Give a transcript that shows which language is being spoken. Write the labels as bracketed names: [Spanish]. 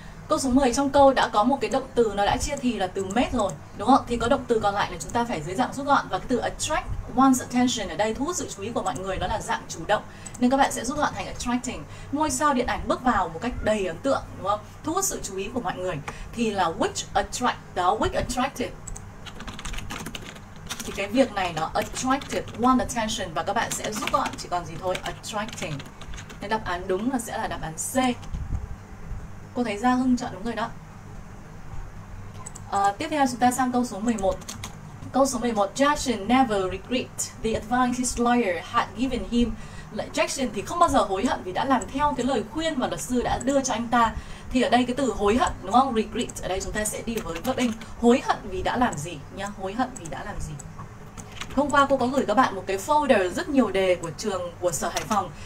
[Vietnamese] Câu số 10 trong câu đã có một cái động từ, nó đã chia thì là từ met rồi, đúng không? Thì có động từ còn lại là chúng ta phải dưới dạng rút gọn. Và cái từ attract one's attention ở đây thu hút sự chú ý của mọi người, đó là dạng chủ động. Nên các bạn sẽ rút gọn thành attracting. Ngôi sao điện ảnh bước vào một cách đầy ấn tượng, đúng không? Thu hút sự chú ý của mọi người. Thì là which attract, đó, which attracted. Thì cái việc này nó attracted one's attention. Và các bạn sẽ rút gọn chỉ còn gì thôi, attracting. Nên đáp án đúng là sẽ là đáp án C. Cô thấy Gia Hưng chọn đúng rồi đó. Tiếp theo chúng ta sang câu số 11. [English] Câu số 11, Jackson never regret the advice his lawyer had given him. [Vietnamese] Jackson thì không bao giờ hối hận vì đã làm theo cái lời khuyên mà luật sư đã đưa cho anh ta. Thì ở đây cái từ hối hận, đúng không? Regret, ở đây chúng ta sẽ đi với verb in. Hối hận vì đã làm gì nhá, hối hận vì đã làm gì. Hôm qua cô có gửi các bạn một cái folder rất nhiều đề của trường của Sở Hải Phòng.